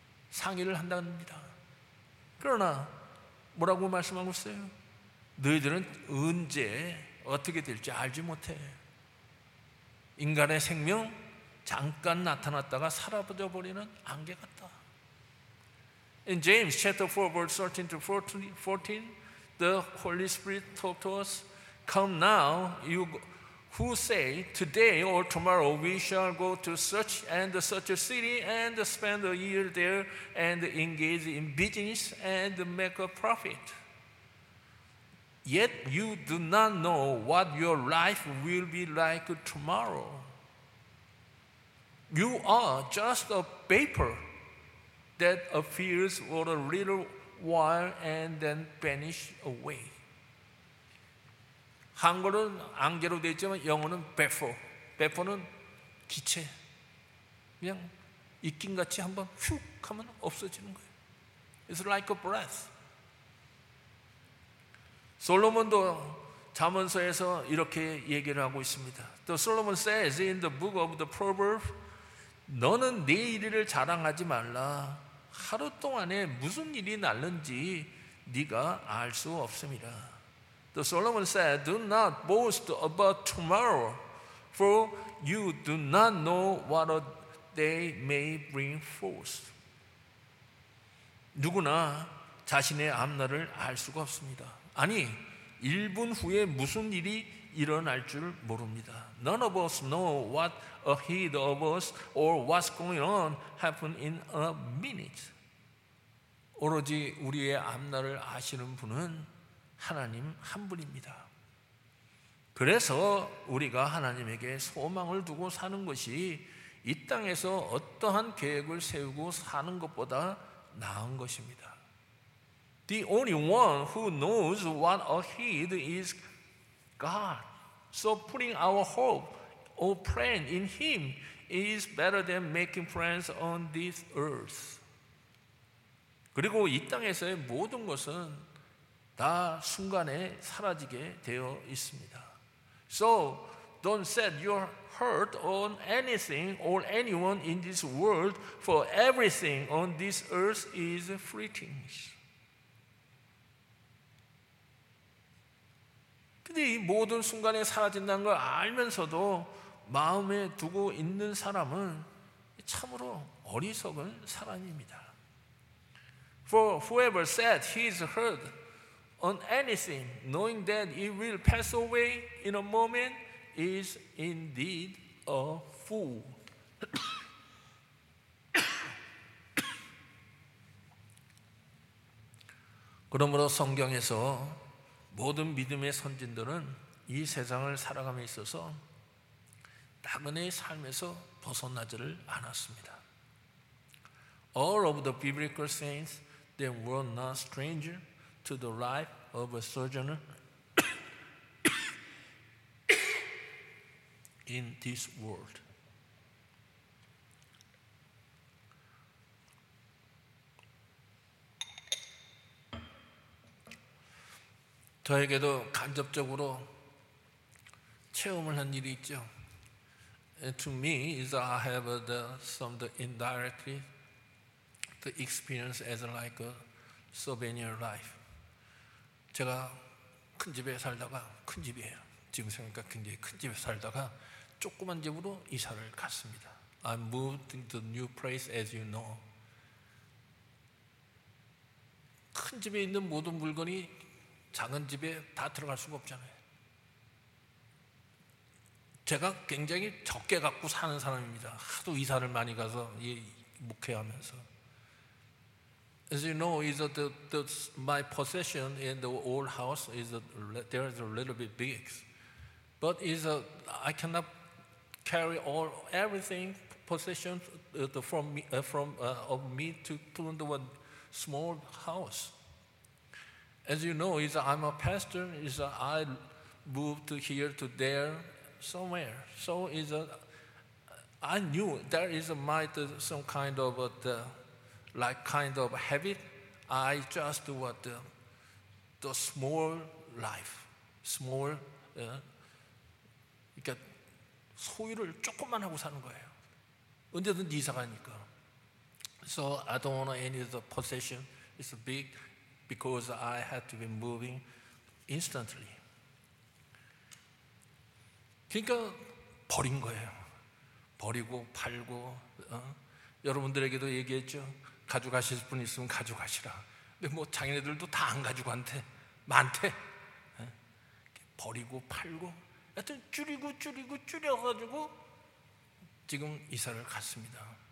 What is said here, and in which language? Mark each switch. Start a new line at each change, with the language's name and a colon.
Korean: 상의를 한답니다. 그러나 뭐라고 말씀하고 있어요? 너희들은 언제 어떻게 될지 알지 못해. 인간의 생명 잠깐 나타났다가 사라져 버리는 안개 같다.
English: In James chapter 4 verse 13 to 14, the Holy Spirit talked to us, Come now, you who say, today or tomorrow we shall go to such and such a city and spend a year there and engage in business and make a profit. Yet you do not know what your life will be like tomorrow. You are just a vapor that appears for a little while and then vanish away.
Korean: 한글은 안개로 되어 있지만 영어는 vapor. vapor는 기체. 그냥 익김같이 한번 휙 하면 없어지는 거예요.
English: It's like a breath.
Korean: 솔로몬도 잠언서에서 이렇게 얘기를 하고 있습니다.
English: The Solomon says in the book of the Proverbs,
Korean: 너는 내 일을 자랑하지 말라. 하루 동안에 무슨 일이 날는지 네가 알 수 없음이라.
English: The Solomon said, Do not boast about tomorrow, for you do not know what a day may bring forth.
Korean: 누구나 자신의 앞날을 알 수가 없습니다. 아니, 1분 후에 무슨 일이 일어날 줄 모릅니다.
English: None of us know what ahead of us or what's going on happen in a minute.
Korean: 오로지 우리의 앞날을 아시는 분은 하나님 한 분입니다. 그래서 우리가 하나님에게 소망을 두고 사는 것이 이 땅에서 어떠한 계획을 세우고 사는 것보다 나은 것입니다.
English: The only one who knows what ahead is God. So putting our hope or plan in Him is better than making plans on this earth.
Korean: 그리고 이 땅에서의 모든 것은 다 순간에 사라지게 되어 있습니다.
English: So don't set your heart on anything or anyone in this world, for everything on this earth is fleeting.
Korean: 근데 이 모든 순간에 사라진다는 걸 알면서도 마음에 두고 있는 사람은 참으로 어리석은 사람입니다.
English: For whoever set his heart on anything, knowing that it will pass away in a moment, is indeed a fool.
Korean: 그러므로 성경에서 모든 믿음의 선진들은 이 세상을 살아감에 있어서 낙은의 삶에서 벗어나지를 않았습니다.
English: All of the biblical saints, they were not stranger to the life of a sojourner in this world.
Korean: 저에게도 간접적으로 체험을 한 일이 있죠.
English: And to me, is I have the, some the indirectly the experience as like a souvenir life.
Korean: 제가 큰 집에 살다가 큰 집이에요. 지금 생각하니까 굉장히 큰 집에 살다가 조그만 집으로 이사를 갔습니다.
English: I moved into a new place, as you know.
Korean: 큰 집에 있는 모든 물건이 작은 집에 다 들어갈 수가 없잖아요. 제가 굉장히 적게 갖고 사는 사람입니다. 하도 이사를 많이 가서 목회하면서.
English: As you know, is the my possession in the old house is a, there is a little bit big, but is a, I cannot carry all everything possession the, from me, from of me to put into a small house. As you know, is I'm a pastor. Is I moved to here to there somewhere. So is I knew there is a might some kind of a. The, like kind of habit, I just do what the small life, small, yeah.
Korean: 그러니까 소유를 조금만 하고 사는 거예요. 언제든지 이사 가니까.
English: So I don't want any of the possession. It's big because I had to be moving instantly.
Korean: 그러니까 버린 거예요. 버리고 팔고, 여러분들에게도 얘기했죠. 가져가실 분 있으면 가져가시라. 근데 뭐 장인애들도 다 안 가지고 한대 많대. 버리고 팔고 하여튼 줄이고 줄이고 줄여가지고 지금 이사를 갔습니다.